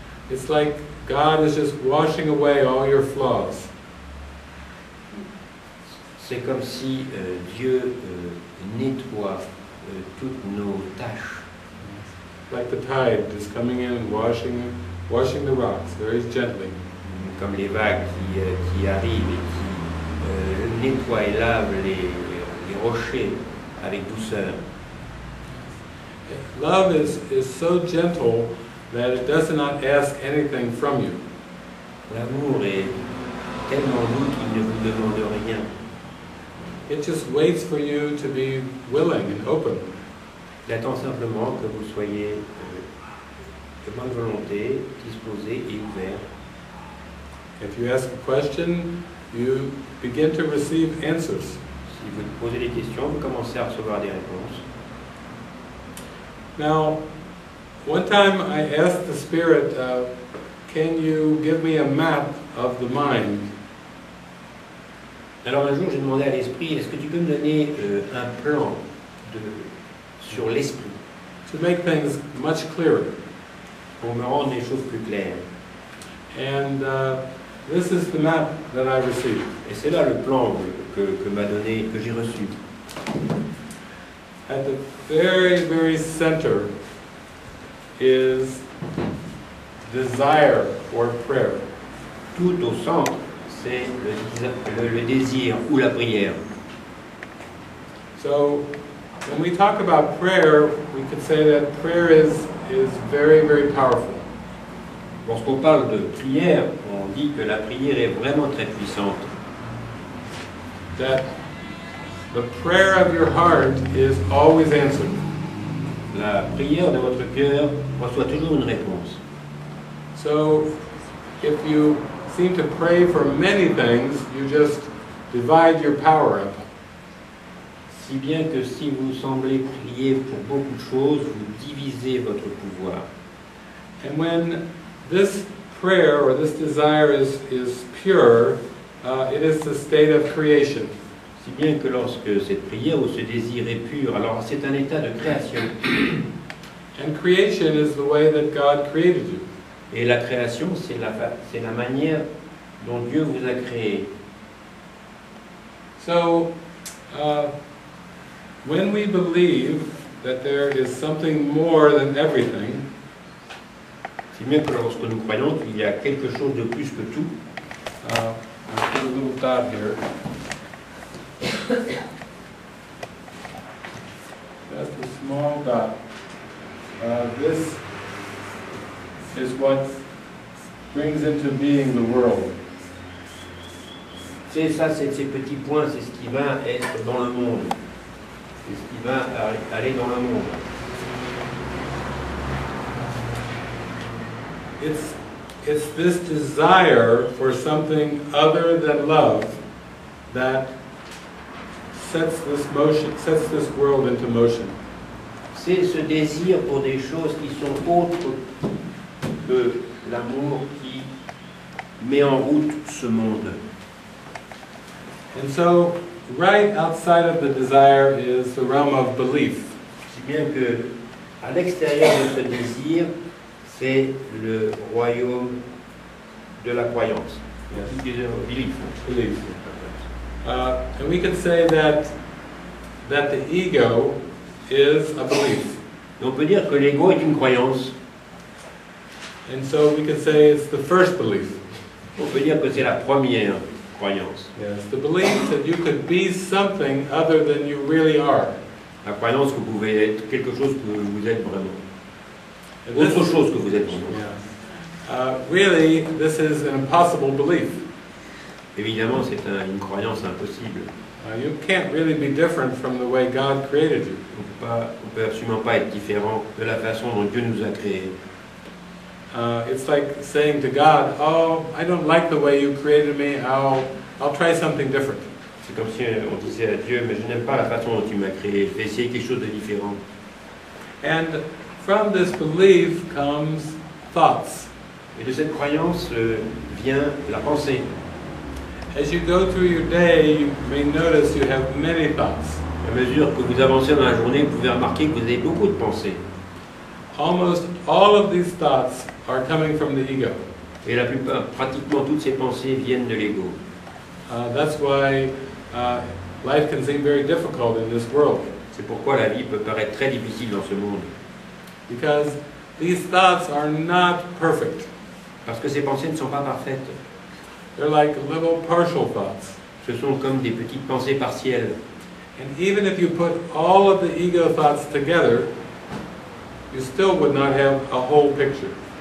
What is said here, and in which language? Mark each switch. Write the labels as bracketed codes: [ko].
[en] It's like God is just washing away all your flaws. [fr] C'est comme si Dieu nettoie toutes nos tâches. [en] Like the tide just coming in and washing the rocks very gently. [fr] Comme les vagues qui arrivent et qui nettoient et lavent les rochers avec douceur. [en] Love is so gentle that it does not ask anything from you. [fr] L'amour est tellement doux qu'il ne vous demande rien. [en] It just waits for you to be willing and open. [fr] Il attend simplement que vous soyez de bonne volonté, disposé et ouvert. [en] If you ask a question, you begin to receive answers. [fr] Si vous posez des questions, vous commencez à recevoir des réponses. [en] Now, one time I asked the spirit, can you give me a map of the mind? [fr] Alors un jour j'ai demandé à l'esprit, est-ce que tu peux me donner un plan sur l'esprit? [en] To make things much clearer. [fr] Pour me rendre les choses plus claires. [en] And this is the map that I received. [fr] Et c'est là le plan que j'ai reçu. [en] At the very, very center is desire or prayer. [fr] Tout au centre, c'est le désir ou la prière. [en] So, when we talk about prayer, we could say that prayer is very, very powerful. [fr] Lorsqu'on parle de prière, on dit que la prière est vraiment très puissante. [en] That the prayer of your heart is always answered. [fr] La prière de votre cœur reçoit toujours une réponse. [en] So, if you seem to pray for many things, you just divide your power up. [fr] Si bien que si vous semblez prier pour beaucoup de choses, vous divisez votre pouvoir. [en] And when this prayer or this desire is pure, it is the state of creation. [fr] Si bien que lorsque cette prière ou ce désir est pur, alors c'est un état de création. [en] And creation is the way that God created you. [fr] Et la création, c'est la manière dont Dieu vous a créé. [en] So, when we believe that there is something more than everything, [fr] si bien que lorsque nous croyons qu'il y a quelque chose de plus que tout, [en] I'll put a little dot here. That's a small dot. This is what brings into being the world. [fr] C'est ça, c'est ces petits points, c'est ce qui va être dans le monde. C'est ce qui va aller dans le monde. [en] It's this desire for something other than love that sets this world into motion. [fr] C'est ce désir pour des choses qui sont autres que l'amour qui met en route ce monde. [en] And so, right outside of the desire is the realm of belief. [fr] Si bien que à l'extérieur de ce désir, c'est le royaume de la croyance. [en] Yes. Belief. And we can say that the ego is a belief. [fr] On peut dire que l'ego est une croyance. [en] And so we can say it's the first belief. [fr] On peut dire que c'est la première croyance. [en] Yes, the belief that you could be something other than you really are. [fr] La croyance que vous pouvez être quelque chose que vous êtes vraiment. Autre chose que vous êtes vraiment. [en] Yeah. Really, this is an impossible belief. [fr] Évidemment, c'est une croyance impossible. [en] You can't really be different from the way God created you. [fr] On peut absolument pas être différent de la façon dont Dieu nous a créés. [en] It's like saying to God, "Oh, I don't like the way you created me. I'll try something different." [fr] C'est comme si on disait à Dieu, mais je n'aime pas la façon dont tu m'as créé. Je vais essayer quelque chose de différent. [en] And from this belief comes thoughts. [fr] Et de cette croyance vient la pensée. [en] As you go through your day, you may notice you have many thoughts. [fr] À mesure que vous avancez dans la journée, vous pouvez remarquer que vous avez beaucoup de pensées. [en] Almost all of these thoughts are coming from the ego. [fr] Et la plupart, pratiquement toutes ces pensées viennent de l'ego. [en] That's why life can seem very difficult in this world. [fr] C'est pourquoi la vie peut paraître très difficile dans ce monde. [en] Because these thoughts are not perfect. [fr] Parce que ces pensées ne sont pas parfaites. [en] They're like little partial thoughts. [fr] Ce sont comme des petites pensées partielles. [en] And even if you put all of the ego thoughts together, you still would not have a whole picture.